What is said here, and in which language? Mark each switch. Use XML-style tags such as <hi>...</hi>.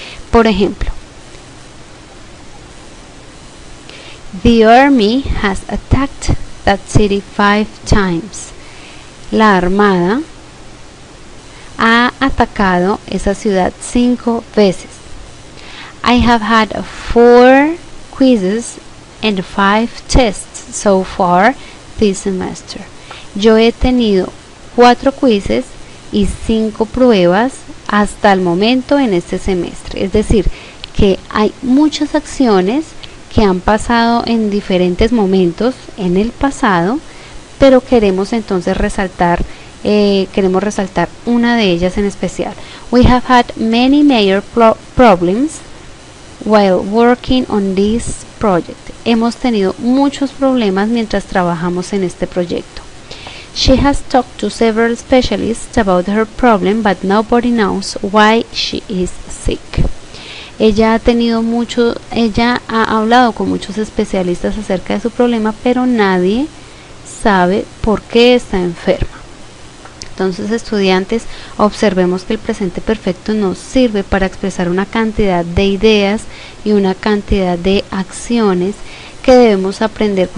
<es>Por ejemplo,</es> <en>the army has attacked that city 5 times.</en> <es>La armada ha atacado esa ciudad 5 veces.</es> <en>I have had 4 quizzes and 5 tests so far this semester.</en> <es>Yo he tenido 4 quizzes y 5 pruebas hasta el momento en este semestre. Es decir, que hay muchas acciones que han pasado en diferentes momentos en el pasado, pero queremos entonces resaltar, queremos resaltar una de ellas en especial.</es> <en>We have had many major problems while working on this project.</en> <es>Hemos tenido muchos problemas mientras trabajamos en este proyecto.</es> <en>She has talked to several specialists about her problem, but nobody knows why she is sick.</en> <es>Ella ha hablado con muchos especialistas acerca de su problema, pero nadie sabe por qué está enferma. Entonces, estudiantes, observemos que el presente perfecto nos sirve para expresar una cantidad de ideas y una cantidad de acciones que debemos aprender.</es>